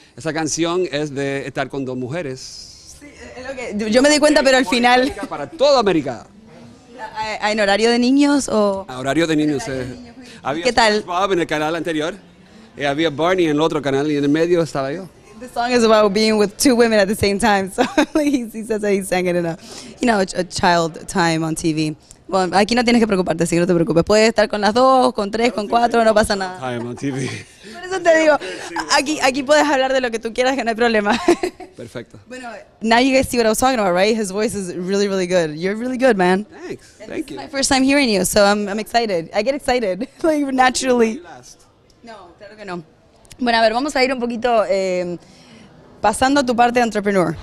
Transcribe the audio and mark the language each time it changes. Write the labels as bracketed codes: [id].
[es] Esa canción es de estar con dos mujeres. Yo me di cuenta, pero al final... Para toda América. ¿En horario de niños o...? A horario de niños. ¿Qué tal? Había Bob en el canal anterior. Y había Barney en el otro canal y en el medio estaba yo. [en] The song is about being with two women at the same time. So he says that he sang it in a, you know, a child time on TV. [es] Bueno, aquí no tienes que preocuparte, sí, no te preocupes. Puedes estar con las dos, con tres, con cuatro, no pasa nada. [en] Time on TV. [es] Por eso te digo, aquí puedes hablar de lo que tú quieras, que no hay problema. Perfecto. [en] Bueno, now you guys see what I was talking about, right? His voice is really, really good. You're really good, man. Thanks, and thank this you. This is my first time hearing you, so I'm excited. I get excited, like, naturally. [es] No, claro que no. Bueno, a ver, vamos a ir un poquito pasando a tu parte de entrepreneur.